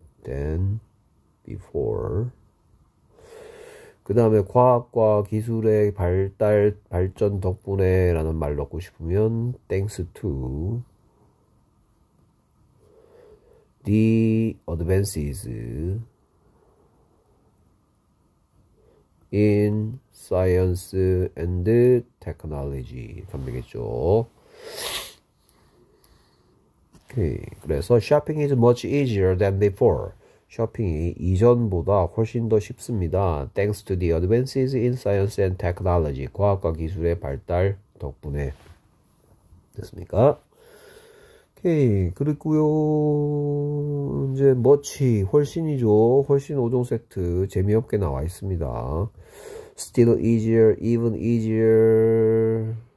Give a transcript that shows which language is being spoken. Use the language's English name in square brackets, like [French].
[Korean] than before. 그 다음에 과학과 기술의 발전 덕분에라는 말 넣고 싶으면 thanks to the advances in science and technology 덤비겠죠. [English] 오케이. 그래서 shopping is much easier than before. [Korean] 쇼핑이 이전보다 훨씬 더 쉽습니다. [English] Thanks to the advances in science and technology. [Korean] 과학과 기술의 발달 덕분에. 됐습니까? 오케이. 그리고요. 이제 머치 훨씬이죠. 훨씬 5종 세트 재미없게 나와 있습니다. [English] Still easier, even easier.